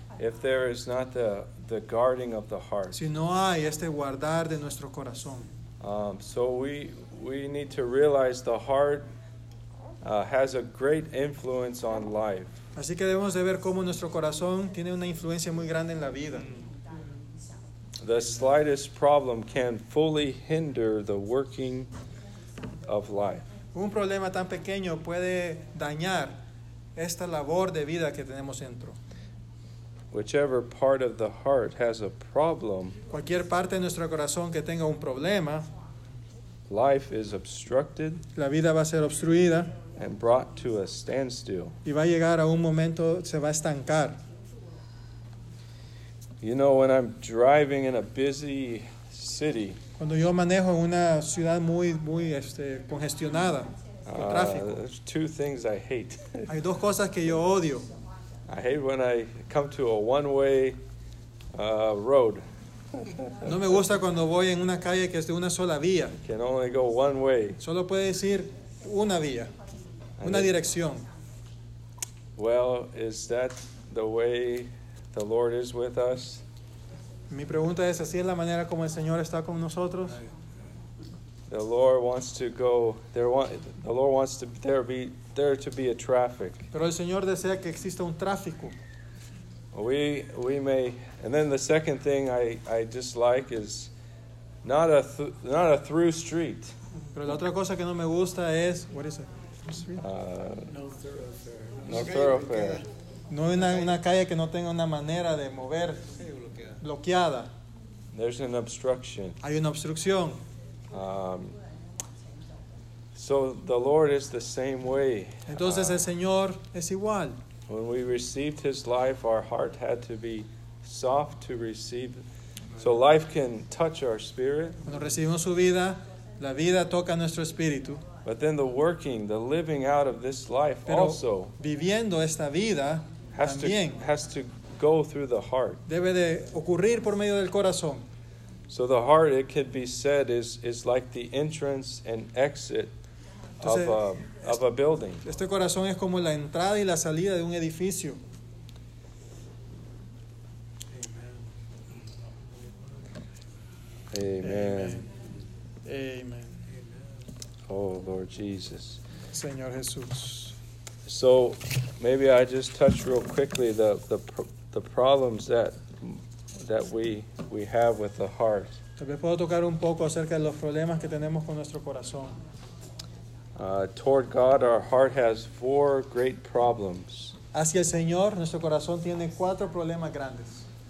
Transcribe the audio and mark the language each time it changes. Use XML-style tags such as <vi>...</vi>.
<en>If there is not the guarding of the heart.</en> <es>Si no hay este guardar de nuestro corazón.</es> <en>So we need to realize the heart has a great influence on life.</en> <es>Así que debemos de ver cómo nuestro corazón tiene una influencia muy grande en la vida.</es> <en>The slightest problem can fully hinder the working of life.</en> <es>Un problema tan pequeño puede dañar esta labor de vida que tenemos dentro.</es> <en>Whichever part of the heart has a problem,</en> <es>cualquier parte de nuestro corazón que tenga un problema,</es> <en>life is obstructed.</en> <es>La vida va a ser obstruida.</es> <en>And brought to a standstill.</en> <es>Y va a llegar a un momento, se va a estancar.</es> <en>You know, when I'm driving in a busy city.</en> <es>Cuando yo manejo en una ciudad muy, muy congestionada, con tráfico.</es> <en>There's two things I hate.</en> <es>Hay dos cosas que yo odio.</es> <en>I hate when I come to a one-way road.</en> <es>No me gusta cuando voy en una calle que es de una sola vía.</es> <en>You can only go one way.</en> <es>Solo puedes ir una vía. Una dirección.</es> <en>Well, is that the way the Lord is with us?</en> <es>Mi pregunta es, ¿así es la manera como el Señor está con nosotros?</es> <en>The Lord wants to go. The Lord wants there to be a traffic.</en> <es>Pero el Señor desea que exista un tráfico.</es> <en>We may. And then the second thing I dislike is not a through street.</en> <es>Pero la otra cosa que no me gusta es,</es> <en>what is it? No thoroughfare.</en> <es>No una calle que no tenga una manera de mover bloqueada.</es> <en>There's an obstruction.</en> <es>Hay una obstrucción.</es> <en>So the Lord is the same way.</en> <es>Entonces el Señor es igual.</es> <en>When we received His life, our heart had to be soft to receive, so life can touch our spirit.</en> <es>Cuando recibimos su vida, la vida toca nuestro espíritu.</es> <en>But then the working, the living out of this life</en> <es>pero</es> <en>also</en> <es>viviendo esta vida</es> <en>has</en> <es>también</es> <en>has to go through the heart.</en> <es>Debe de ocurrir por medio del corazón.</es> <en>So the heart, it could be said, is like the entrance and exit.</en> <es>Entonces,</es> <en>of a building.</en> <es>Este corazón es como la entrada y la salida de un edificio.</es> <en>Amen.</en> <es>Amen. Amen.</es> <en>Oh, Lord Jesus.</en> <es>Señor Jesús.</es> <en>So, maybe I just touch real quickly the problems that we have with the heart.</en> <es>Tal vez puedo tocar un poco acerca de los problemas que tenemos con nuestro corazón.</es> <en>Toward God, our heart has four great problems.</en> <es>Hacia el Señor, nuestro corazón tiene cuatro problemas grandes.</es>